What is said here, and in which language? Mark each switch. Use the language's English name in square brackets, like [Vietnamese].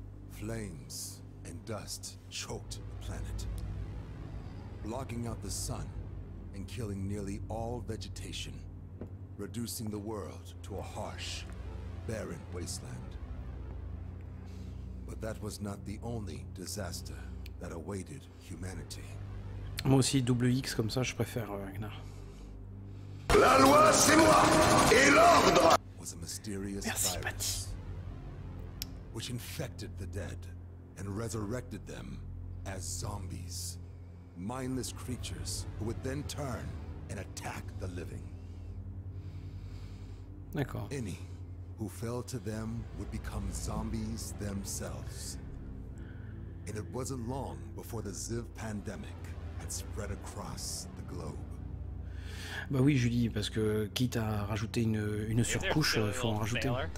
[English] Flames and dust choked the planet, blocking out the sun and killing nearly all vegetation, reducing the world to a harsh, barren wasteland. But that was not the only disaster that awaited humanity. [French] Moi aussi, double X comme ça, je préfère Ragnar. La loi, c'est moi! Et l'ordre! [English] Was a mysterious virus which infected the dead and resurrected them as zombies. Mindless creatures who would then turn and attack the living. D'accord. Any who fell to them would become zombies themselves. And it wasn't long before the Ziv pandemic had spread across the globe. [French] Bah oui, Julie, parce que quitte à rajouter une surcouche, il faut en rajouter.